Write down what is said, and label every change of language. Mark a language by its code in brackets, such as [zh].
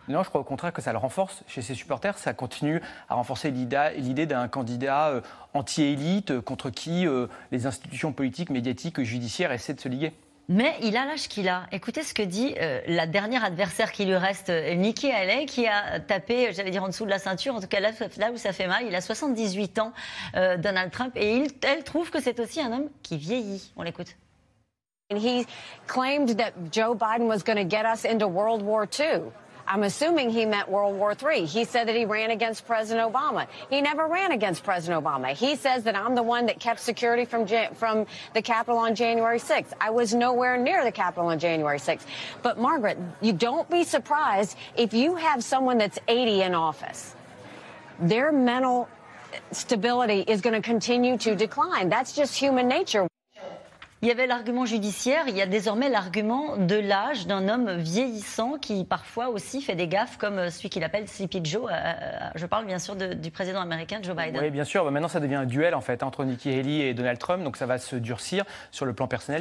[fr] Non, je crois au contraire que ça le renforce chez ses supporters. Ça continue à renforcer l'idée d'un candidat anti-élite contre qui les institutions politiques, médiatiques, judiciaires essaient de se liguer. Mais il a l'âge qu'il a. Écoutez ce que dit la dernière adversaire qui lui reste, Nikki Haley, qui a tapé, j'allais dire, en dessous de la ceinture, en tout cas là où ça fait mal. Il a 78 ans, Donald Trump, et elle trouve que c'est aussi un homme qui vieillit. On l'écoute. [en] And he claimed that Joe Biden was going to get us into World War II. I'm assuming he meant World War III. He said that he ran against President Obama. He never ran against President Obama. He says that I'm the one that kept security from the Capitol on January 6th. I was nowhere near the Capitol on January 6th. But Margaret, you don't be surprised if you have someone that's 80 in office. Their mental stability is going to continue to decline. That's just human nature. [fr] Il y avait l'argument judiciaire, il y a désormais l'argument de l'âge d'un homme vieillissant qui parfois aussi fait des gaffes comme celui qu'il appelle Sleepy Joe. Je parle bien sûr du président américain Joe Biden. Oui, bien sûr. Maintenant, ça devient un duel en fait entre Nikki Haley et Donald Trump. Donc ça va se durcir sur le plan personnel.